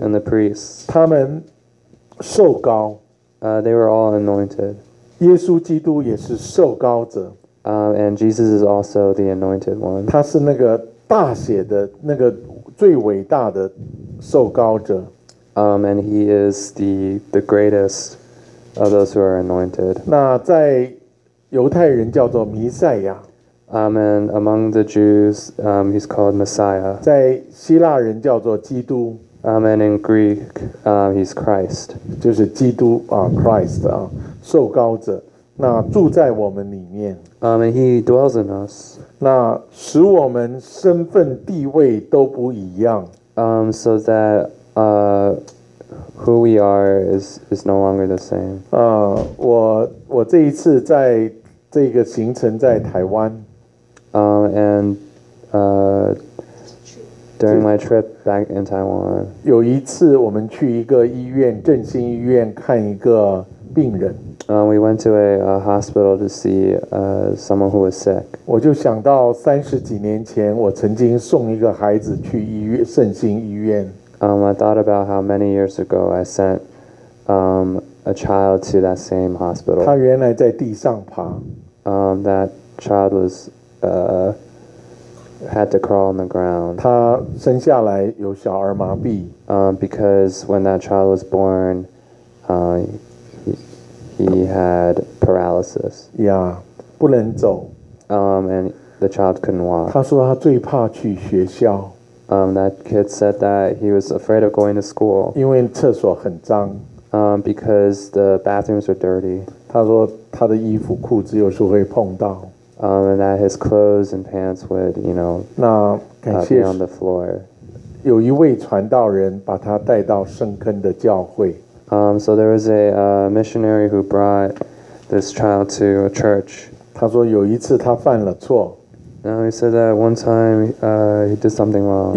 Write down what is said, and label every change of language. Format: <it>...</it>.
<en>and the priests,</en> <zh>他们受膏</zh> <en>they were all anointed.</en> <zh>耶稣基督也是受膏者</zh> <en>and Jesus is also the anointed one.</en> <zh>他是那个大写的那个最伟大的受膏者</zh> <en>and he is the greatest of those who are anointed.</en> <zh>那在犹太人叫做弥赛亚。</zh> <en>And among the Jews, he's called Messiah.</en> <zh>在希腊人叫做基督。</zh> <en>And in Greek, he's Christ.</en> <zh>就是基督啊 ，Christ 啊，受膏者。那住在我们里面。</zh> <en>And he dwells in us.</en> <zh>那使我们身份地位都不一样。</zh> <en>So that who we are is no longer the same.</en> <zh>我这一次在这个行程在台湾。</zh> <en>During my trip back in Taiwan,</en> <zh>有一次我们去一个医院，振兴医院看一个病人。</zh> <en>We went to a hospital to see someone who was sick.</en> <zh>我就想到三十几年前，我曾经送一个孩子去医院，振兴医院。</zh> <en>I thought about how many years ago I sent a child to that same hospital.</en> <zh>他原来在地上爬。</zh> <en>That child was had to crawl on the ground.</en> <zh>他生下来有小儿麻痹。</zh> <en>Because when that child was born, he had paralysis.</en> <zh>Yeah, 不能走。</zh> <en>And the child couldn't walk.</en> <zh>他说他最怕去学校。</zh> <en>That kid said that he was afraid of going to school.</en> <zh>因为厕所很脏。</zh> <en>Because the bathrooms were dirty.</en> <zh>他说他的衣服裤子有时候会碰到。</zh> <en>And that his clothes and pants would, you know, be on the floor.</en> <zh>有一位传道人把他带到圣坑的教会。</zh> <en>So there was a missionary who brought this child to a church.</en> <zh>他说有一次他犯了错。</zh> <en>Now he said that one time he did something wrong.</en>